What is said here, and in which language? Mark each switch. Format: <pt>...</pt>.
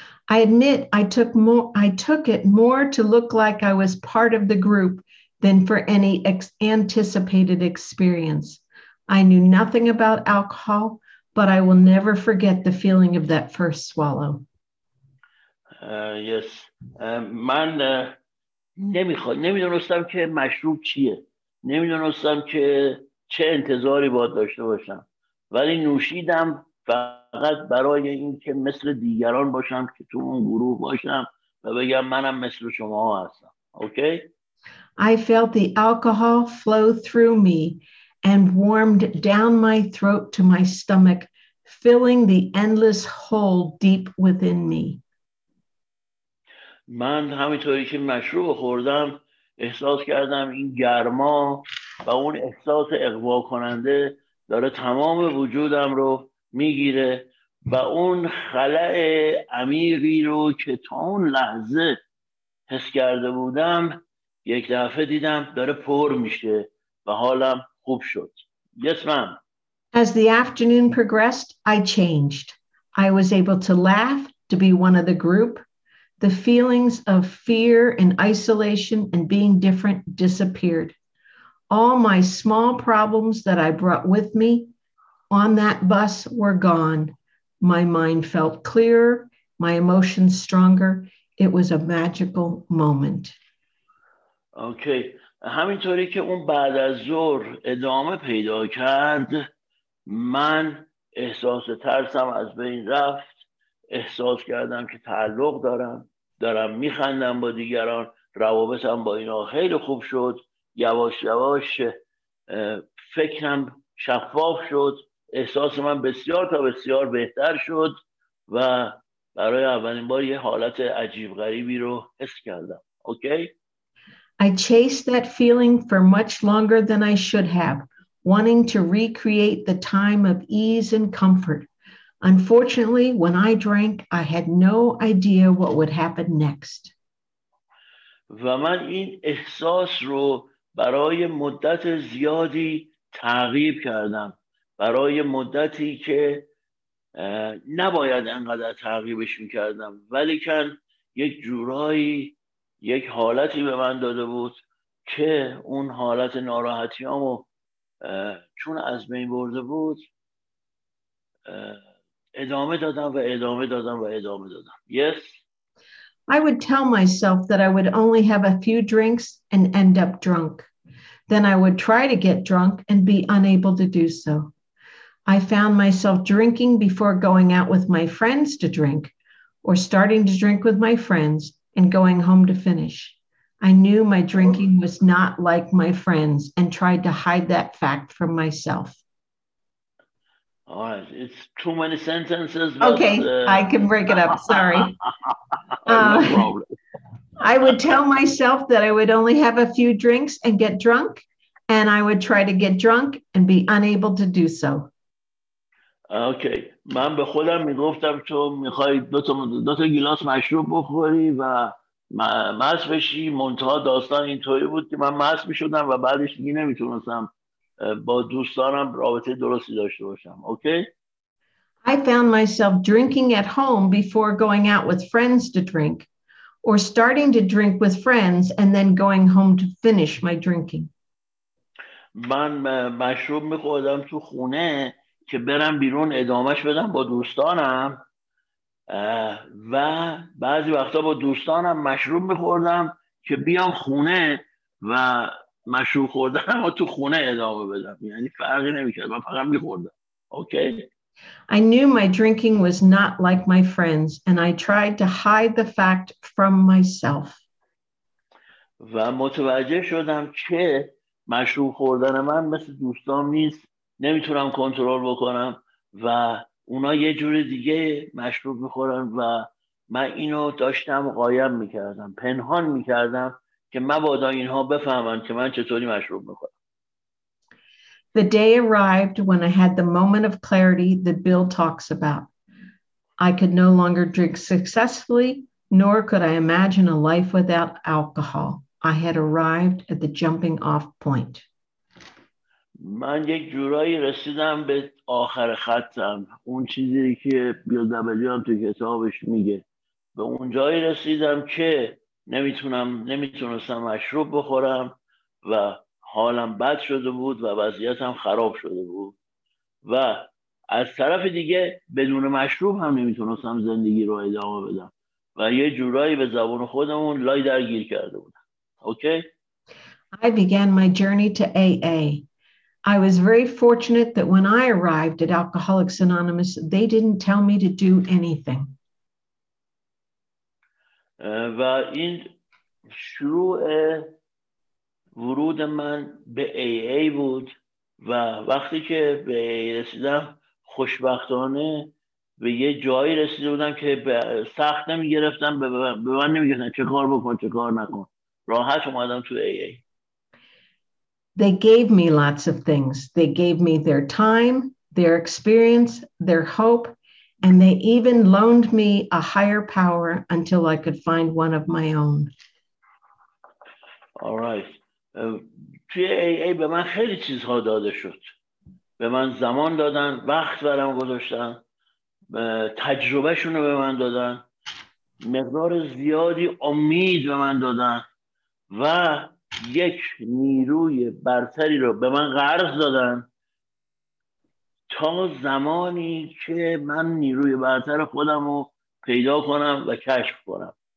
<en>I admit I took it more to look like I was part of the group than for any anticipated experience. I knew nothing about alcohol, but I will never forget the feeling of that first swallow. Yes.</en> <fa>من نمیدونستم که مشروب چیه. نمیدونستم که چه انتظاری باید داشته باشم. ولی نوشیدم فقط برای اینکه مثل دیگران باشم که تو اون گروه باشم و بگم منم مثل شما هستم.</fa> <en>Okay? I felt the alcohol flow through me and warmed down my throat to my stomach, filling the endless hole deep within me.</en> <fa>من همینطوری که مشروب خوردم احساس کردم این گرما و اون احساس اغوا کننده داره تمام وجودم رو میگیره و اون خلأ عمیقی رو که تا اون لحظه حس کرده بودم یک دفعه دیدم داره پر میشه و حالم خوب شد.</fa> <en>Yes, ma'am. As the afternoon progressed, I changed. I was able to laugh, to be one of the group. The feelings of fear and isolation and being different disappeared. All my small problems that I brought with me on that bus were gone. My mind felt clearer, my emotions stronger. It was a magical moment. Okay.</en> <fa>همینطوری که اون بعد از ظهر ادامه پیدا کرد، من احساس ترسم از بین رفت، احساس کردم که تعلق دارم، دارم میخندم با دیگران، روابطم با اینا خیلی خوب شد، یواش یواش فکرم شفاف شد، احساس من بسیار تا بسیار بهتر شد و برای اولین بار یه حالت عجیب غریبی رو حس کردم.</fa> <en>Okay. I chased that feeling for much longer than I should have, wanting to recreate the time of ease and comfort. Unfortunately, when I drank, I had no idea what would happen next.</en> <fa>و من این احساس رو برای مدت زیادی تعقیب کردم. برای مدتی که نباید انقدر تعقیبش میکردم. ولی کن یک جورایی یک حالتی به من داده بود که اون حالت ناراحتیامو چون از بین برده بود ادامه دادم و ادامه دادم و ادامه دادم.</fa> <en>Yes. I would tell myself that I would only have a few drinks and end up drunk. Then I would try to get drunk and be unable to do so. I found myself drinking before going out with my friends to drink, or starting to drink with my friends and going home to finish. I knew my drinking was not like my friends and tried to hide that fact from myself. All right, it's too many sentences. Okay, I can break it up, sorry. No problem. I would tell myself that I would only have a few drinks and get drunk, and I would try to get drunk and be unable to do so.</en> <fa>Okay, من به خودم میگفتم تو میخوای دو تا گلاس مشروب بخوری و مست بشی، منتها داستان اینطوری بود که من مست میشدم و بعدش دیگه نمیتونستم با دوستانم رابطه درستی داشته باشم. اوکی؟</fa> <en>I found myself drinking at home before going out with friends to drink, or starting to drink with friends and then going home to finish my drinking.</en> <fa>من مشروب میخوردم تو خونه که برم بیرون ادامهش بدم با دوستانم و بعضی وقتا با دوستانم مشروب میخوردم که بیام خونه و مشروب خوردم و تو خونه ادامه بدم، یعنی فرقی نمیکرد، من فقط میخوردم. اوکی؟</fa> <en>I knew my drinking was not like my friends and I tried to hide the fact from myself.</en> <fa>و متوجه شدم که مشروب خوردن من مثل دوستان نیست، نمیتونم کنترل بکنم و اونا یه جور دیگه مشروب میخورن و من اینو داشتم قایم میکردم، پنهان میکردم که مبادا اینها بفهمن که من چطوری مشروب میخورم.</fa> <en>The day arrived when I had the moment of clarity that Bill talks about. I could no longer drink successfully, nor could I imagine a life without alcohol. I had arrived at the jumping off point.</en> <fa>من یک جورایی رسیدم به آخر خطم، اون چیزی که بیل دبلیو هم تو کتابش میگه، به اونجایی رسیدم که نمیتونستم مشروب بخورم و حالم بد شده بود و وضعیتم خراب شده بود و از طرف دیگه بدون مشروب هم نمیتونستم زندگی رو ادامه بدم و یه جورایی به زبان خودمون لای درگیر کرده بودم. اوکی؟</fa> <en>I began my journey to AA. I was very fortunate that when I arrived at Alcoholics Anonymous, they didn't tell me to do anything.</en> <fa>و این شروع ورود من به AA بود و وقتی که به AA رسیدم خوشبختانه به یه جایی رسیده بودم که سخت نمی گرفتم، به من نمی گفتن چه کار بکن چه کار نکن، راحت اومدم تو AA.</fa> <en>They gave me lots of things. They gave me their time, their experience, their hope, and they even loaned me a higher power until I could find one of my own. All right.</en> <fa>توی AA به من خیلی چیزها داده شد. به من زمان دادن، وقت برام گذاشتن، تجربهشون رو به من دادن، مقدار زیادی امید به من دادن و یک نیروی برتری رو به من قرض دادن تا زمانی که من نیروی برتر خودم رو پیدا کنم و کشف کنم.</fa>